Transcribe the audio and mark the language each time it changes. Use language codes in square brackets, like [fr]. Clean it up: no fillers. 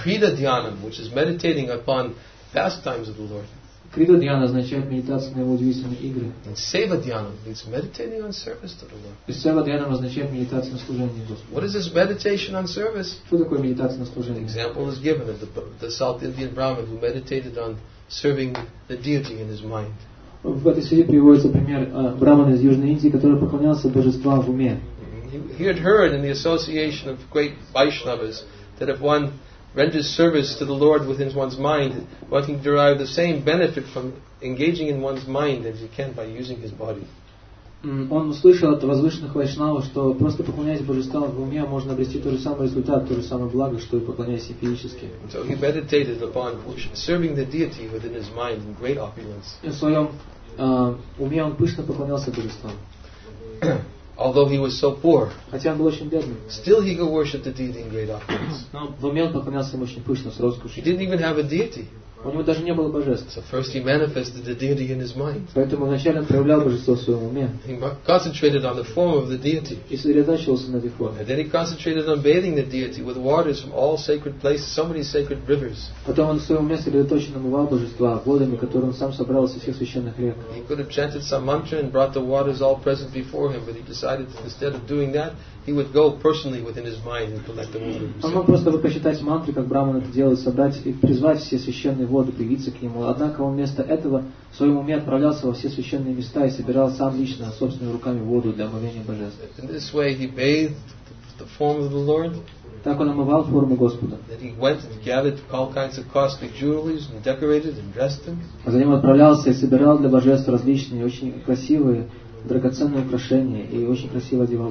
[en] Krida Dhyanam, which is meditating upon pastimes of the Lord. [ru] Крида Дьяна означает медитация на его удивительные игры. [en] Сева Дьяна means meditating on service to the Lord. [ru] И Сева Дьяна означает медитация на служении Господу. [en] What is this meditation on service? [ru] Что такое медитация на служении? [en] Example is given of the South Indian Brahmin who meditated on serving the deity in his mind. [ru] В этой связи приводится пример Брахмана из Южной Индии, который поклонялся божествам в уме. [en] He had heard in the association of great Vaishnavas that if one renders service to the Lord within one's mind, one can derive the same benefit from engaging in one's mind as you can by using his body. [ru] Он услышал от возвышенных вайшнавов, что просто поклоняясь божествам в уме, можно обрести тот же самый результат, то же самое благо, что и поклоняясь физически. [en] So he meditated upon serving the deity within his mind in great opulence. [ru] В своем уме он пышно поклонялся божествам. [en] Although he was so poor, [ru] хотя он был очень бедным, [en] still he could worship the deity in great opulence. [ru] Но в уме он поклонялся ему очень пышно, с роскошью. [en] He didn't even have a deity. [ru] У него даже не было божества. [en] So first he manifested the deity in his mind. [ru] Поэтому вначале он проявлял божество в своем уме. [en] He concentrated on the form of the deity. [ru] И сосредоточился на этой форме. [en] And then he concentrated on bathing the deity with waters from all sacred places, so many sacred rivers. [ru] Потом он в своем уме сосредоточен умывал божества водами, которые он сам собрал из всех священных рек. [en] He could have chanted some mantra and brought the waters all present before him, but he decided that instead of doing that, he would go personally within his mind and collect the waters. [ru] Он мог просто посчитать мантры, как Брахман это делал, собрать и призвать все священные воды, привиться к нему. Однако он вместо этого в своем уме отправлялся во все священные места и собирал сам лично, собственными руками, воду для омовения божества. [en] In this way he bathed the form of the Lord. [ru] Так он омывал форму Господа. [en] Then he went and gathered all kinds of costly jewelry and decorated and dressed them. [ru] А затем отправлялся и собирал для божества различные, очень красивые, драгоценные украшения и очень красиво одевал